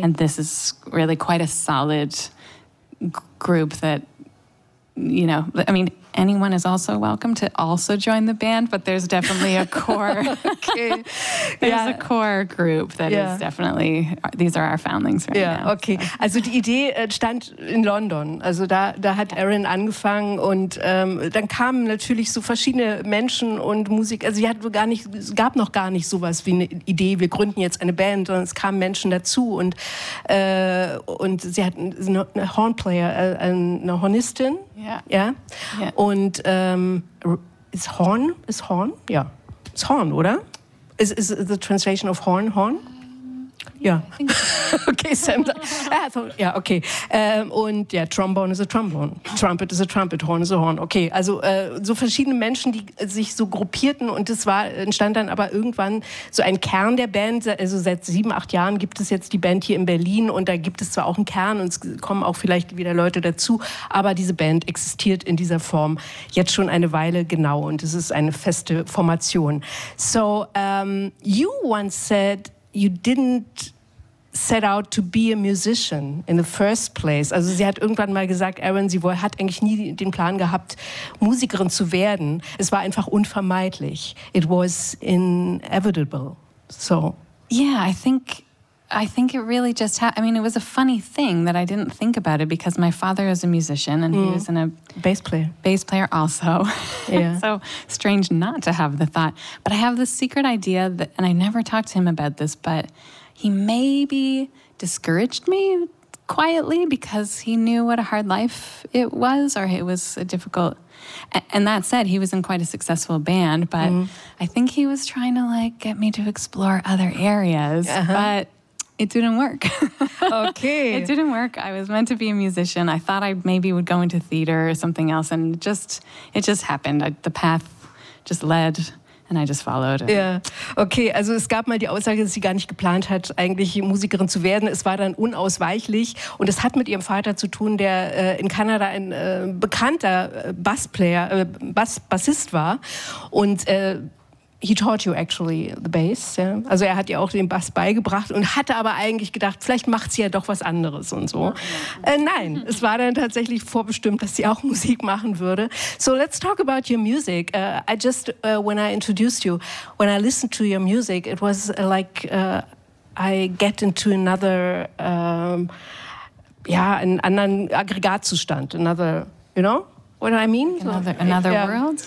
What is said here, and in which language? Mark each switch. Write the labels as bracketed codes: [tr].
[en] And this is really quite a solid group that, you know, I mean, anyone is also welcome to also join the band, but there's definitely a core. Okay. There's a core group that is definitely, these are our Foundlings right now. [de] Okay. So. Also die Idee stand in London. Also da hat Aaron angefangen, und dann kamen natürlich so verschiedene Menschen und Musik. Also es gab noch gar nicht sowas wie eine Idee, wir gründen jetzt eine Band, sondern es kamen Menschen dazu, und sie hatten eine Hornplayer, eine Hornistin. [en] Yeah. [de] Yeah. Yeah. Und ist Horn? Ja. Yeah. Ist Horn, oder? [en] Is the translation of Horn, Horn? Yeah. [de] So. Okay, Sam. Okay. Und ja, Trombone ist a Trombone. Trumpet ist a Trumpet. Horn ist a Horn. Okay, also so verschiedene Menschen, die sich so gruppierten, und es entstand dann aber irgendwann so ein Kern der Band. Also seit 7, 8 Jahren gibt es jetzt die Band hier in Berlin, und da gibt es zwar auch einen Kern und es kommen auch vielleicht wieder Leute dazu, aber diese Band existiert in dieser Form jetzt schon eine Weile genau, und es ist eine feste Formation. [en] So, you once said, you didn't set out to be a musician in the first place. [de] Also sie hat irgendwann mal gesagt, Aaron, sie hat eigentlich nie den Plan gehabt, Musikerin zu werden. Es war einfach unvermeidlich. [en] It was inevitable. [de] So. [en] Yeah, I think it really just I mean, it was a funny thing that I didn't think about it, because my father is a musician and he was in a... Bass player also. Yeah. So strange not to have the thought. But I have this secret idea that, and I never talked to him about this, but he maybe discouraged me quietly because he knew what a hard life it was, or it was a difficult... And that said, he was in quite a successful band, but I think he was trying to like get me to explore other areas. Uh-huh. But... it didn't work. Okay. It didn't work. I was meant to be a musician. I thought I maybe would go into theater or something else, and it just happened. The path just led, And I just followed. [de] Ja, okay. Also es gab mal die Aussage, dass sie gar nicht geplant hat, eigentlich Musikerin zu werden. Es war dann unausweichlich. Und es hat mit ihrem Vater zu tun, der in Kanada ein bekannter Bassplayer, Bassist war. [en] Und he taught you actually the bass. Yeah? [de] Also er hat ihr auch den Bass beigebracht und hatte aber eigentlich gedacht, vielleicht macht sie ja doch was anderes und so. Nein, es war dann tatsächlich vorbestimmt, dass sie auch Musik machen würde. [en] So let's talk about your music. I just, when I introduced you, when I listened to your music, it was like I get into another, [de] einen anderen Aggregatzustand, [en] another, you know? What I mean? Another yeah. world?